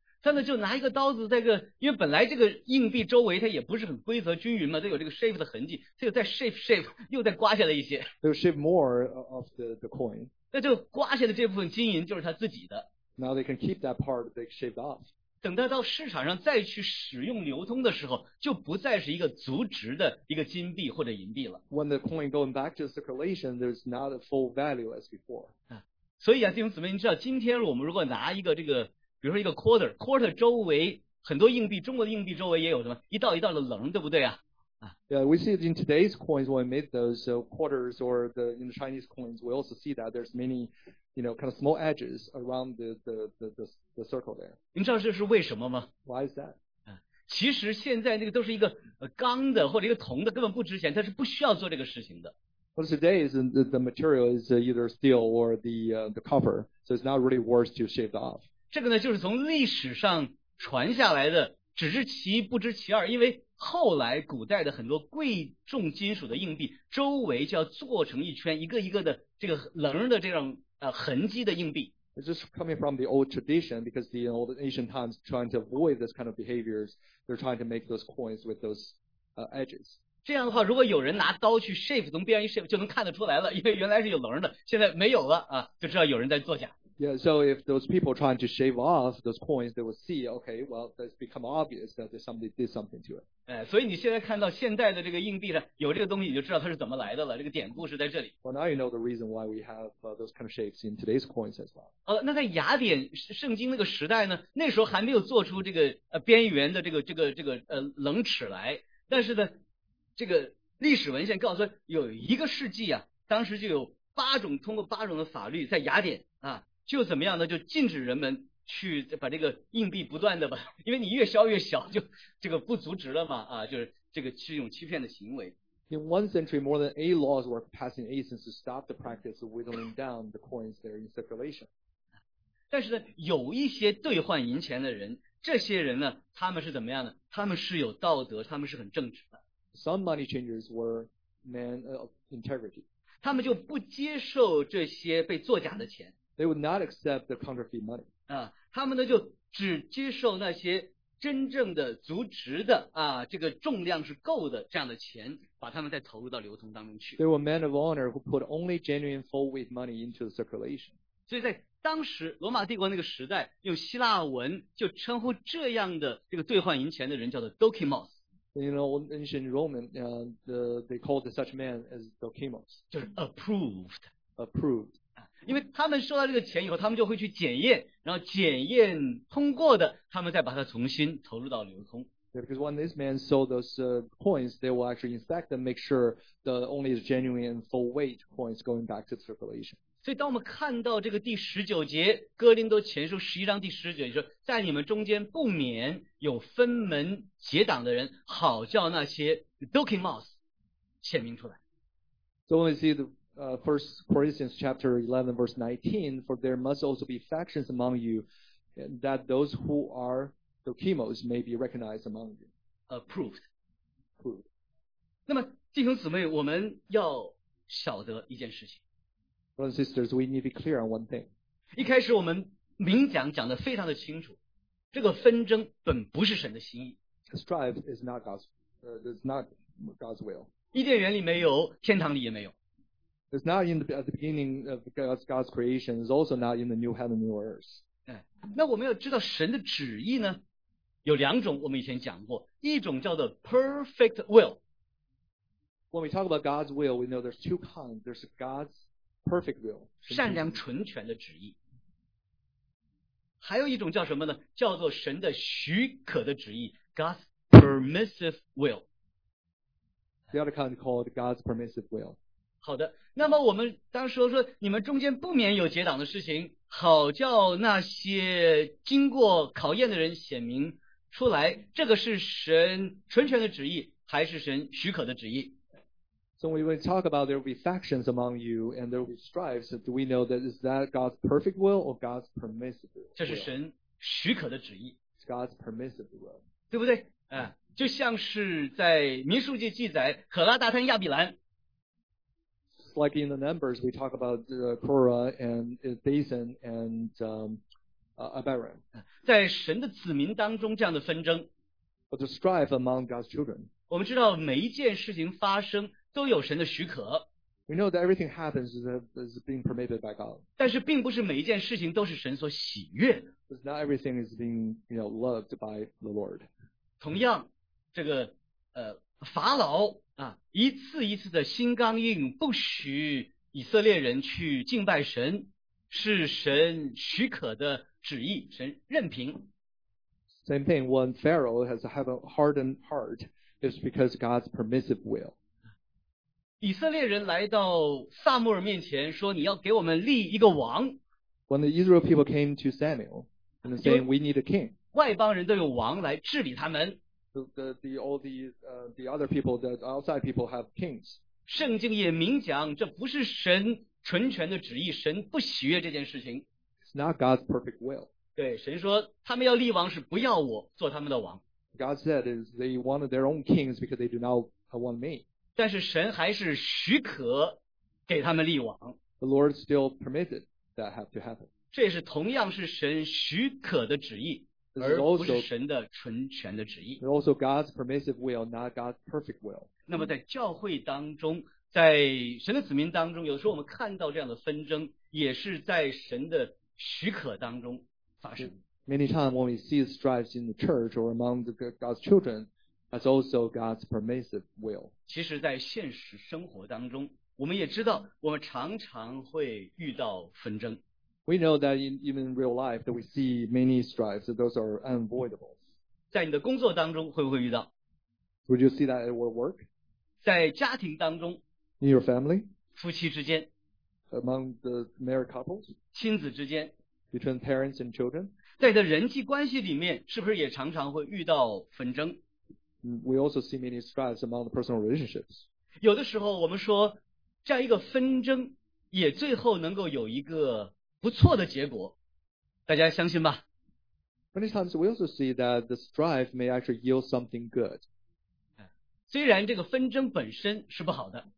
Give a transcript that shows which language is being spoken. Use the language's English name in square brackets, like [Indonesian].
[Chinese] 他呢就拿一个刀子，在个因为本来这个硬币周围它也不是很规则均匀嘛，都有这个 shape 的痕迹，他又再 shape 又再刮下来一些。 [English] They shape more of the coin. [Chinese] 那就刮下的这部分金银就是他自己的。 [English] Now they can keep that part they shaved off. [Chinese] 等他到市场上再去使用流通的时候，就不再是一个足值的一个金币或者银币了。 [English] When the coin going back to circulation, there's not a full value as before. [Chinese] 所以啊，弟兄姊妹，你知道今天我们如果拿一个这个，比如说一个 quarter 周围很多硬币，中国的硬币周围也有什么一道一道的棱，对不对啊？ [English] Yeah, we see it in today's coins when we made those quarters or in the Chinese coins. We also see that there's many, you know, kind of small edges around the circle there. [Chinese] 你知道这是为什么吗 [English] ？Why is that? [Chinese] 其实现在那个都是一个钢的或者一个铜的，根本不值钱，它是不需要做这个事情的。 [English] But today is the material is either steel or the copper, so it's not really worth to shave off. [Chinese] 这个呢，就是从历史上传下来的，只知其一不知其二，因为。后来古代的很多贵重金属的硬币周围就要做成一圈一个一个的这个棱的这种痕迹的硬币。 [English] It's just coming from the old tradition because the old ancient times trying to avoid this kind of behaviors. They're trying to make those coins with those edges. [Chinese] 这样的话如果有人拿刀去 shape 从边上一 shape 就能看得出来了，因为原来是有棱的，现在没有了啊，就知道有人在作假。 [English] Yeah, so if those people trying to shave off those coins, they will see, okay, well, it's become obvious that somebody did something to it. [Chinese] 所以你现在看到现代的这个硬币上有这个东西，你就知道它是怎么来的了。这个典故是在这里。 [English] Well, now you know the reason why we have those kind of shapes in today's coins as well. [Chinese] 那在雅典圣经那个时代呢？那时候还没有做出这个边缘的这个棱齿来，但是呢，这个历史文献告诉有一个世纪啊，当时就有八种通过八种的法律在雅典啊。就怎么样呢？就禁止人们去把这个硬币不断的吧，因为你越削越小，就这个不足值了嘛啊，就是这个是一种欺骗的行为。 [English] In one century, more than eight laws were passed in Athens to stop the practice of whittling down the coins that are in circulation. [Chinese] 但是呢，有一些兑换银钱的人，这些人呢，他们是怎么样呢？他们是有道德，他们是很正直的。 [English] Some money changers were men of integrity. [Chinese] 他们就不接受这些被作假的钱。 [English] They would not accept the counterfeit money. [Chinese] 他们呢就只接受那些真正的足值的啊，这个重量是够的这样的钱，把他们再投入到流通当中去。 [English] There were men of honor who put only genuine full weight money into the circulation. [Chinese] 所以在当时罗马帝国那个时代，用希腊文就称呼这样的这个兑换银钱的人叫做 Dokimos。 [English] In ancient Roman, they called such men as Dokimos. [Chinese] 就是 approved. [English] Approved. [Chinese] 因为他们收到这个钱以后，他们就会去检验，然后检验通过的，他们再把它重新投入到流通。 [English] Yeah, because when these men sold those coins, they will actually inspect them, make sure the only genuine and full weight coins going back to circulation. [Chinese] 所以当我们看到这个第十九节，哥林多前书十一章第十九节说，在你们中间不免有分门结党的人，好叫那些 Dokimos 显明出来。 [English] So when we see the First Corinthians chapter 11 verse 19, for there must also be factions among you, that those who are Dokimos may be recognized among you. Approved. Approved. [Chinese] 那么弟兄姊妹，我们要晓得一件事情。 [English] Brothers and sisters, we need to be clear on one thing. [Chinese] 一开始我们明讲讲得非常的清楚，这个纷争本不是神的心意。 [English] The strife is not God's, is not God's will. [Chinese] 伊甸园里没有，天堂里也没有。 [English] It's not in the, at the beginning of God's creation. It's also not in the new heaven, new earth. [Chinese] 那我们要知道神的旨意呢，有两种，我们以前讲过，一种叫做 [English] perfect will. When we talk about God's will, we know there's two kinds. There's God's perfect will. [Chinese] 善良纯全的旨意。还有一种叫什么呢？叫做神的许可的旨意， [English] God's permissive will. The other kind is called God's permissive will. [Chinese] 好的，那么我们当时说你们中间不免有结党的事情，好叫那些经过考验的人显明出来，这个是神纯全的旨意还是神许可的旨意？ [English] So when we talk about there will be factions among you and there will be strifes, do we know that is that God's perfect will or God's permissive will? [Chinese] 这是神许可的旨意。 [English] It's God's permissive will. [Chinese] 对不对？就像是在民数记记载可拉达贪亚比兰， [English] Like in the Numbers, we talk about Korah and Dathan and Abiram. [Chinese] 在神的子民当中这样的纷争。 [English] But the strife among God's children. [Chinese] 我们知道每一件事情发生都有神的许可。 [English] We know that everything happens is being permitted by God. [Chinese] 但是并不是每一件事情都是神所喜悦的。 [English] Because not everything is being, you know, loved by the Lord. [Chinese] 同样，这个法老一次一次的心刚硬，不许以色列人去敬拜神，是神许可的旨意，神任凭。 [English] Same thing, when Pharaoh has a hardened heart, it's because God's permissive will. [Chinese] 以色列人来到撒母耳面前说，你要给我们立一个王。 [English] When the Israel people came to Samuel, and saying, we need a king. [Chinese] 外邦人都有王来治理他们。 [English] The other people, the outside people have kings. [Chinese] 圣经也明讲，这不是神纯全的旨意，神不喜悦这件事情。 [English] It's not God's perfect will. [Chinese] 对，神说他们要立王是不要我做他们的王。 [English] God said is they wanted their own kings because they do not want me. [Chinese] 但是神还是许可给他们立王。 [English] The Lord still permitted that have to happen. [Chinese] 这也是同样是神许可的旨意。而不是神的纯全的旨意。 [English] It's also God's permissive will, not God's perfect will. [Chinese] 那么在教会当中，在神的子民当中，有时候我们看到这样的纷争，也是在神的许可当中发生。 [English] Many times when we see strifes in the church or among the God's children, that's also God's permissive will. [Chinese] 其实在现实生活当中，我们也知道，我们常常会遇到纷争。 [English] We know that in even real life that we see many strifes, that those are unavoidable. [Chinese] 在你的工作当中会不会遇到？ [English] Would you see that at work? [Chinese] 在家庭当中？ [English] In your family? [Chinese] 夫妻之间？ [English] Among the married couples? [Chinese] 亲子之间？ [English] Between parents and children? [Chinese] 在你的人际关系里面是不是也常常会遇到纷争？ [English] We also see many strifes among the personal relationships. [Chinese] 有的时候我们说这样一个纷争也最后能够有一个不错的结果，大家相信吧。 [English] Many times we also see that the strife may actually yield something good. [Chinese] 虽然这个纷争本身是不好的。